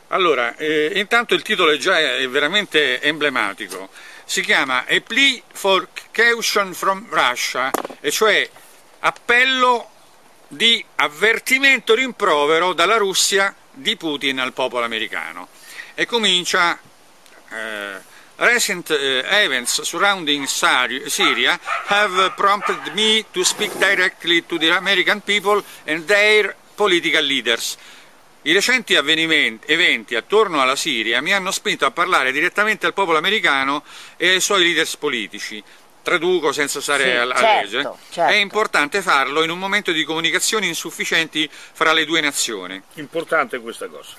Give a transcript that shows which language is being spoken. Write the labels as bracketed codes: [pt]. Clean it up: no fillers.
[it] Allora, intanto il titolo è già veramente emblematico. Si chiama A Plea for Caution from Russia, e cioè appello di avvertimento rimprovero dalla Russia di Putin al popolo americano. E comincia: [en] Recent events surrounding Syria have prompted me to speak directly to the American people and their political leaders. [it] I recenti eventi attorno alla Siria mi hanno spinto a parlare direttamente al popolo americano e ai suoi leaders politici. Traduco senza stare Sì, a leggere. È certo. importante farlo in un momento di comunicazioni insufficienti fra le due nazioni. Importante questa cosa.